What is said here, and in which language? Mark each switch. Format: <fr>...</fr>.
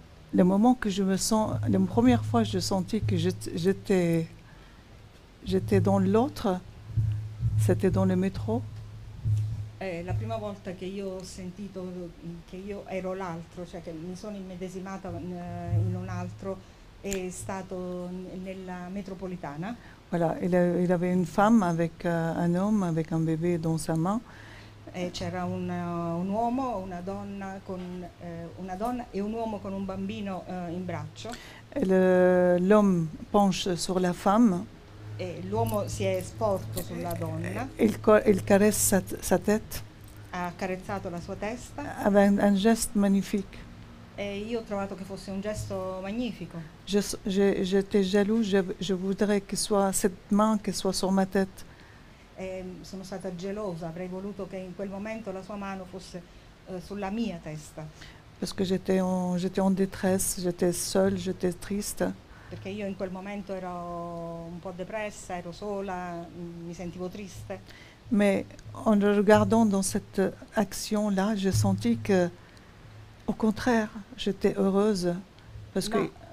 <fr>Le moment que je me sens, la première fois que j'ai senti que j'étais dans l'autre, c'était dans le métro.</fr> <it>La prima volta che io ho sentito che io ero l'altro, cioè che mi sono immedesimata in un altro, è stato nella metropolitana.</it> <fr>Voilà, il avait une femme avec un homme avec un bébé dans sa main.</fr> <it>C'era un uomo, una donna con una donna e un uomo con un bambino in braccio.</it> <fr>L'homme penche sur la femme.</fr> <it>E l'uomo si è sporto sulla donna.</it> <fr>Il caressa sa tête.</fr> <it>Ha accarezzato la sua testa. Aveva un gesto magnifico. E io ho trovato che fosse un gesto magnifico.</it> <fr>J'étais jaloux, je voudrais que soit cette main che soit sur ma tête.</fr> <it>E sono stata gelosa, avrei voluto che in quel momento la sua mano fosse sulla mia testa.</it> <fr>Parce que j'étais en détresse, j'étais seule, j'étais triste.</fr> <it>Perché io in quel momento ero un po' depressa, ero sola, mi sentivo triste.</it> <fr>Ma en regardant dans cette action là, j'ai senti che au contraire, j'étais heureuse parce que</fr>